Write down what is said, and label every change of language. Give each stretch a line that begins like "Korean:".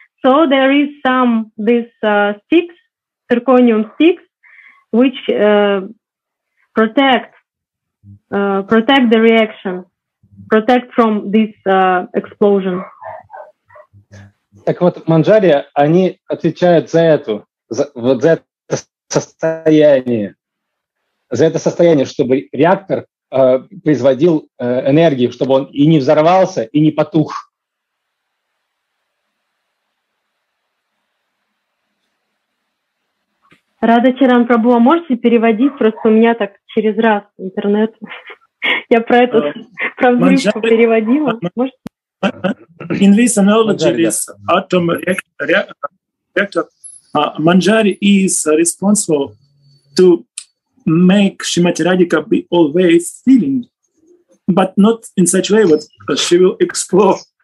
English: So there is some this sticks, zirconium sticks, which protect the reaction, protect from this explosion.
Russian: Так вот, Манджария, они отвечают за это состояние, чтобы реактор производил энергию, чтобы он и не взорвался, и не потух. Рада Чаран Прабу, а можете переводить? Просто у меня так через раз интернет. Я про это переводила.
English: In this analogy, this atom reactor, Manjari is responsible to make Shrimati Radhika be always feeling, but not in such way, but she will explode.